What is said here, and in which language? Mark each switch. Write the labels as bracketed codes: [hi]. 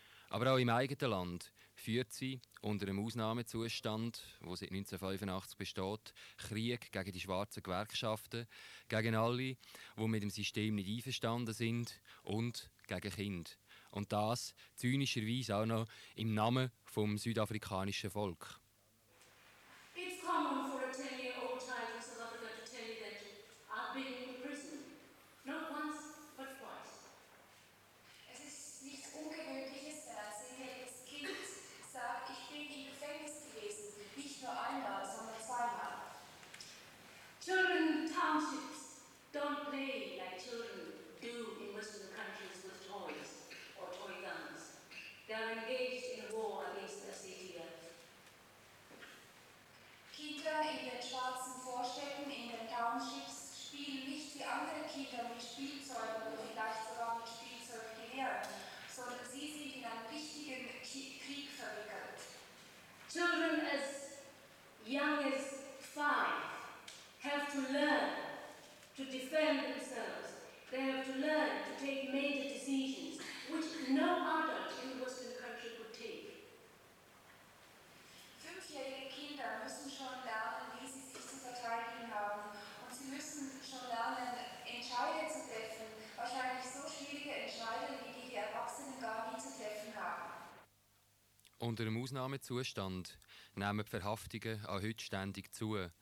[de] Aber auch im eigenen Land führt sie unter einem Ausnahmezustand, der seit 1985 besteht, Krieg gegen die schwarzen Gewerkschaften, gegen alle, die mit dem System nicht einverstanden sind und gegen Kinder. Und das zynischerweise auch noch im Namen vom südafrikanischen Volk. [en] It's common for a 10-year-old child in South Africa to tell you that I've been in prison. Not once, but twice. [de] Es ist nichts Ungewöhnliches, dass ein jedes Kind sagt, ich bin im Gefängnis gewesen. Nicht nur einmal, sondern zweimal. [en] Children in townships don't play like children do in Western countries with toys. Or toy guns. They are engaged in a war against the CDF. [de] Kinder in den schwarzen Vorstädten, in den Townships, spielen nicht wie andere Kinder mit Spielzeug oder vielleicht sogar mit Spielzeuggewehren, sondern sie sind in einen richtigen Krieg verwickelt. [en] Children as young as five have to learn to defend themselves. They have to learn to take major decisions, which no adult in the Western country could take. [de] Fünfjährige Kinder müssen schon lernen, wie sie sich zu verteidigen haben. Und sie müssen schon lernen, Entscheidungen zu treffen. Wahrscheinlich so schwierige Entscheidungen, wie die Erwachsenen gar nie zu treffen haben. Unter einem Ausnahmezustand nehmen die Verhaftungen auch heute ständig zu.